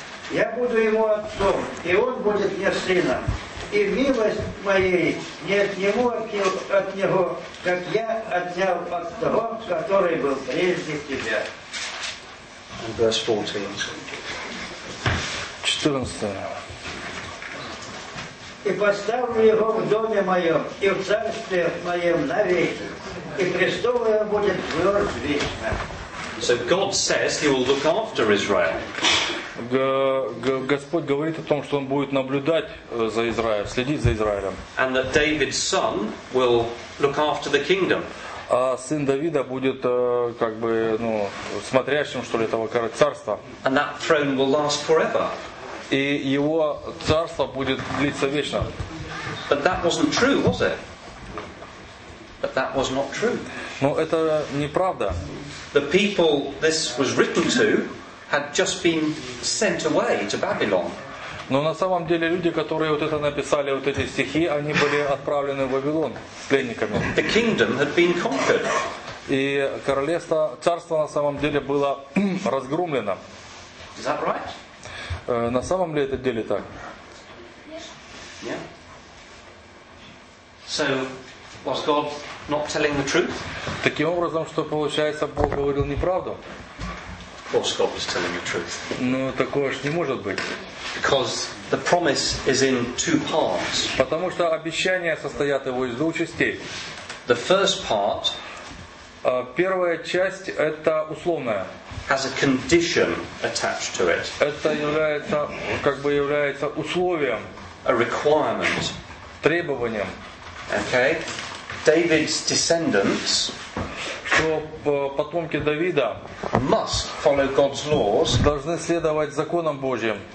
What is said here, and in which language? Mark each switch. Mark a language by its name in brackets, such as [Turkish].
[Russian] Я буду ему отцом, и он будет мне сыном. И милость моей не от него, от него, как я отнял от того, который был прежде тебя. [English] And verse 14. [Russian] 14. и поставлю его в доме моем и в царстве моем навеки, и престол его будет тверд вечно. [English] So God says he will look after Israel. [Russian] Господь говорит о том, что он будет наблюдать за Израилем, следить за Израилем. [English] And that David's son will look after the kingdom. [Russian] А сын Давида будет как бы, ну, смотрящим, что ли, этого царства. [English] And that throne will last forever. [Russian] И его царство будет длиться вечно. [English] But that wasn't true, was it? But that was not true. [Russian] Но это неправда. [English] The people this was written to had just been sent away to Babylon. [Russian] Но на самом деле люди, которые вот это написали, вот эти стихи, они были отправлены в Вавилон пленниками. [English] The kingdom had been conquered. [Russian] И королевство, царство на самом деле было разгромлено. [English] Is that right? [Russian] На самом ли это деле так? [English] Yeah. So was God not telling the truth? [Russian] Таким образом, что получается, Бог говорил неправду? [English] Well, God was telling the truth. [Russian] Ну, такого ж не может быть. [English] Because the promise is in two parts. [Russian] Потому что обещания состоят его из двух частей. [English] The first part. [Russian] Первая часть это условная. [English] Has a condition attached to it. [Russian] Это является, как бы является условием. [English] A requirement. [Russian] Требованием. [English] Okay. David's descendants, [Russian] что потомки Давида, [English] must follow God's laws, [Russian] должны следовать законам Божьим,